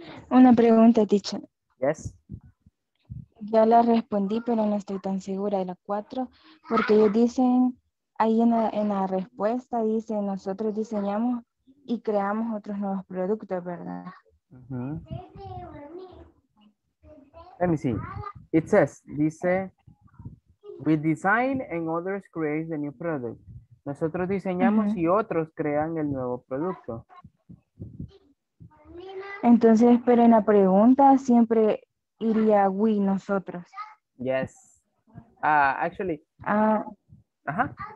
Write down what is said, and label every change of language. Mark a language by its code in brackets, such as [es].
[es] Una pregunta, teacher. [en] Yes. [es] Ya la respondí, pero no estoy tan segura de la 4, porque ellos dicen, ahí en la respuesta dice, nosotros diseñamos y creamos otros nuevos productos, ¿verdad? [en] Uh-huh. Let me see. It says, dice, we design and others create the new product. [es] Nosotros diseñamos uh-huh. y otros crean el nuevo producto. Entonces, pero en la pregunta siempre iría we, nosotros. [en] Yes. Actually. Ajá.